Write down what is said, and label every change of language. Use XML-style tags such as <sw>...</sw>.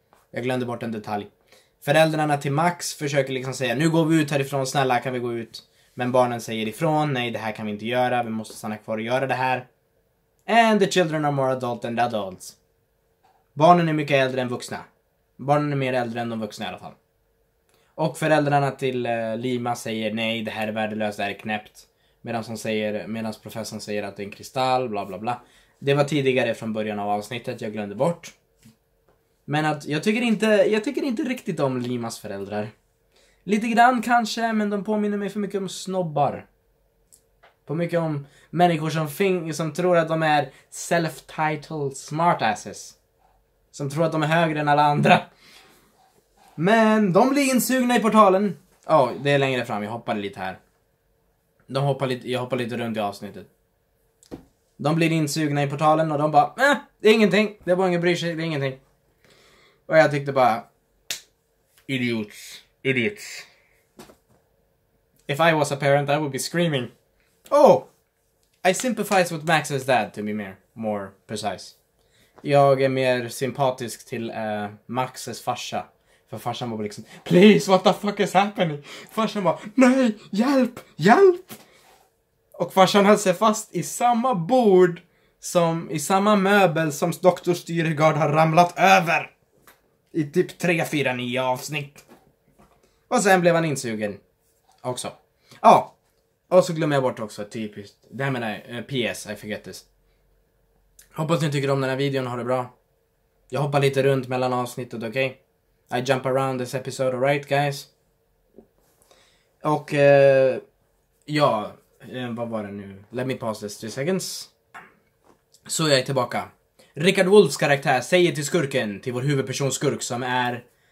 <sv>Jag glömde bort en detalj. Föräldrarna till Max försöker liksom säga: nu går vi ut härifrån, snälla kan vi gå ut. Men barnen säger ifrån: nej, det här kan vi inte göra, vi måste stanna kvar och göra det här.</sv> <en>And the children are more adult than the adults.</en> <sv>Barnen är mycket äldre än vuxna. Barnen är mer äldre än de vuxna i alla fall. Och föräldrarna till Lima säger: nej, det här är värdelöst, det här är knäppt. Medan professorn säger att det är en kristall, bla bla bla. Det var tidigare från början av avsnittet, jag glömde bort. Men att jag tycker inte riktigt om Limas föräldrar. Lite grann kanske, men de påminner mig för mycket om snobbar. På mycket om människor som tror att de är</sv> <en>self-titled smartasses.</en> <sv>Som tror att de är högre än alla andra. Men de blir insugna i portalen. Ja, oh, det är längre fram, jag hoppade lite här. Jag hoppar lite runt i avsnittet. De blir insugna i portalen och de bara: det är ingenting. Det är bara ingen bryr sig, det är ingenting. Och jag tyckte bara: idiots.</sv> <en>Idiots. If I was a parent, I would be screaming. Oh! I sympathize with Max's dad, to be more precise.</en> <sv>Jag är mer sympatisk till Max's farsa. För farsan bara liksom:</sv> <en>please, what the fuck is happening?</en> <sv>Farsan bara: nej, hjälp, hjälp! Och farsan höll sig fast i samma bord som, i samma möbel som Dr. Styrgard har ramlat över. I typ 3-4 nya avsnitt. Och sen blev han insugen också. Ja, och så glömmer jag bort också, typiskt. Det här menar jag, PS,</sv> <en>I forget this.</en> <sv>Hoppas ni tycker om den här videon, ha det bra. Jag hoppar lite runt mellan avsnittet, okej?</sv> <en>Okay? I jump around this episode, alright guys?</en> <sv>Och, ja, vad var det nu?</sv> <en>Let me pause this 3 seconds.</en> <sv>Så jag är tillbaka. Rickard Wolffs karaktär säger till skurken, till vår huvudperson skurk som är...</sv>